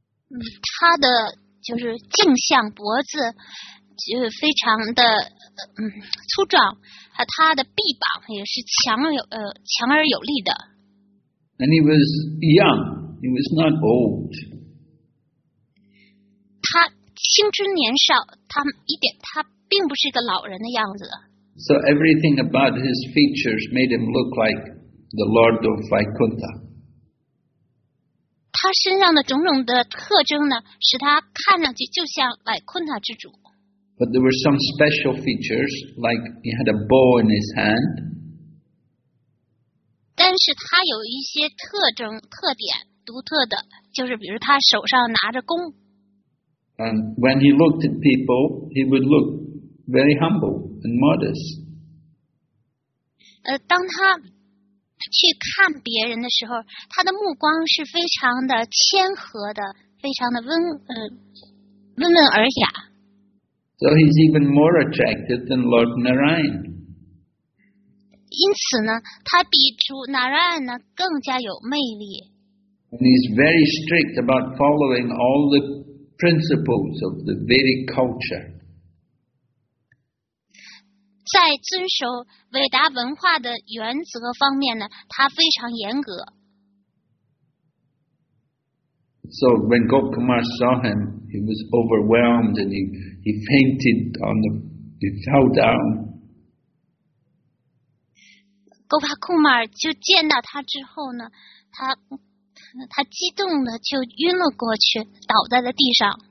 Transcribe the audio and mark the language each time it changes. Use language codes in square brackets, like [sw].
[zh] 他的就是颈项脖子就是非常的粗壮，和他的臂膀也是强而有力的。 [en] And he was young. He was not old. [zh] 他青春年少，他并不是一个老人的样子。 [en] So everything about his features made him look like the Lord of Vaikuntha. [zh] 他身上的种种的特征呢，使他看上去就像莱昆塔之主。 [en] But there were some special features, like he had a bow in his hand. [zh] 但是他有一些特征、特点、独特的，就是比如他手上拿着弓。 [en] And when he looked at people, he would look very humble and modest. [zh] 当他去看别人的时候，他的目光是非常的谦和的，非常的温文尔雅。 [en] So he's even more attractive than Lord Narayan. [zh] 因此呢，他比主 Narayan 呢更加有魅力。 [en] And he's very strict about following all the principles of the Vedic culture. [zh] 在遵守韦达文化的原则方面呢，他非常严格。 [en] So when Gopkumar saw him, he was overwhelmed and he fainted on the, he fell down. [zh] Gopkumar 就见到他之后呢，他激动的就晕了过去，倒在了地上。